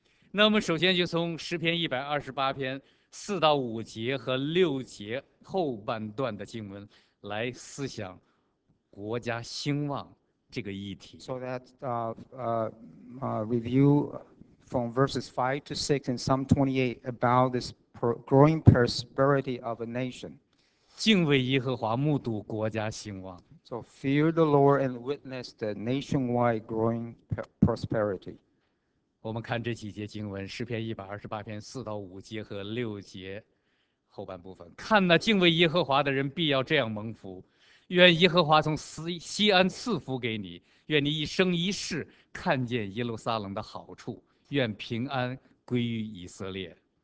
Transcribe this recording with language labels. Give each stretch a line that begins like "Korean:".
Chinese: 那我们首先就从诗篇一百二十八篇四到五节和六节后半段的经文来思想国家兴旺这个议题。
English: So that review from verses 5 to 6 in Psalm 28 about this growing prosperity of a nation.
Chinese: 敬畏耶和华，目睹国家兴旺。
English: So fear the Lord and witness the nationwide growing prosperity.
Chinese: 我们看这几节经文，诗篇一百二十八篇四到五节和六节后半部分。看那敬畏耶和华的人必要这样蒙福，愿耶和华从西安赐福给你，愿你一生一世看见耶路撒冷的好处，愿平安归于以色列。